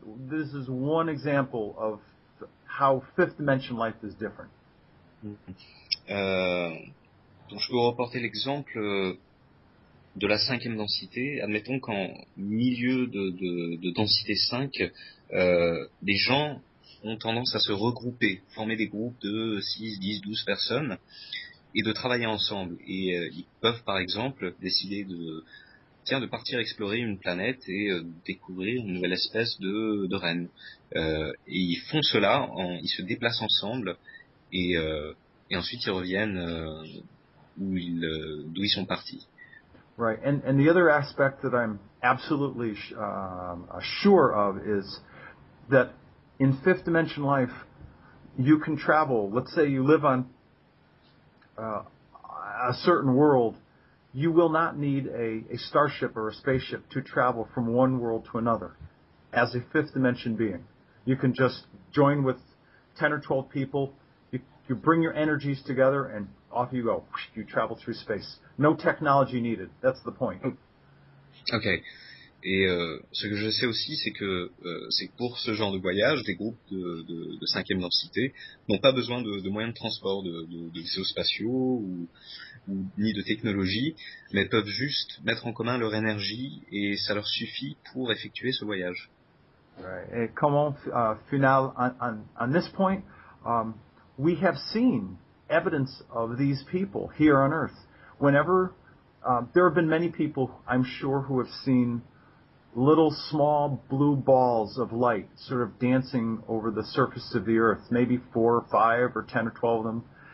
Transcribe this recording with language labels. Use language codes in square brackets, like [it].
[en] This is one example of how fifth dimension life is different. [fr] Donc je peux reporter l'exemple de la cinquième densité. Admettons qu'en milieu de densité 5, les gens ont tendance à se regrouper, former des groupes de 6, 10, 12 personnes, et de travailler ensemble. Et ils peuvent, par exemple, décider de partir explorer une planète et découvrir une nouvelle espèce de renne. Et ils font cela, ils se déplacent ensemble, et ensuite ils reviennent d'où ils sont partis. [en] Right, and the other aspect that I'm absolutely sure of is that in fifth dimension life, you can travel. Let's say you live on a certain world, you will not need a starship or a spaceship to travel from one world to another as a fifth dimension being. You can just join with 10 or 12 people, you bring your energies together, and off you go. You travel through space. No technology needed. That's the point. Okay. [fr] Et ce que je sais aussi, c'est que pour ce genre de voyage, des groupes de cinquième densité n'ont pas besoin de moyens de transport, de vaisseaux spatiaux ni de technologie, mais peuvent juste mettre en commun leur énergie et ça leur suffit pour effectuer ce voyage. [en] Right. Et comment final on this point, we have seen evidence of these people here on Earth. Whenever there have been many people, I'm sure, who have seen little small blue balls of light sort of dancing over the surface of the earth, maybe 4 or 5 or 10 or 12 of them.